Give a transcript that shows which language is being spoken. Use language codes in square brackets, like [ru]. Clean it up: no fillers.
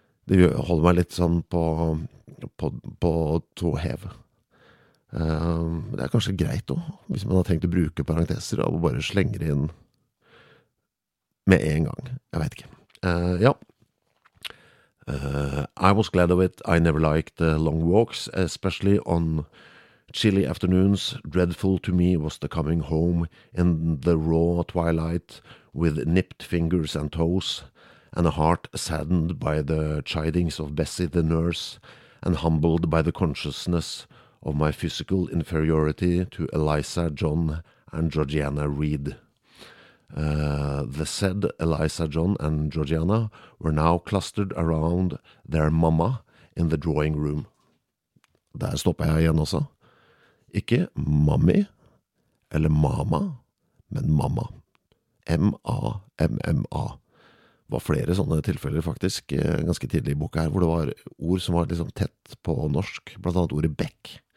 [no] Det holder meg litt sånn på to hev. Det kanskje greit også, hvis man har tenkt å bruke parenteser, og bare slenger inn med en gang. Jeg vet ikke. Ja. [en] I was glad of it. I never liked long walks, especially on chilly afternoons. Dreadful to me was the coming home in the raw twilight with nipped fingers and toes. And a heart saddened by the chidings of Bessie the nurse, and humbled by the consciousness of my physical inferiority to Eliza, John, and Georgiana Reed. The said Eliza, John, and Georgiana were now clustered around their mamma in the drawing room. [no] Der stopper jeg igjen også. Ikke mommy eller mama, men mamma. M-A-M-M-A. Det var flere sånne tilfeller faktisk ganske tidlig I boka her, hvor det var ord som var liksom tett på norsk, blant annet ordet bekk.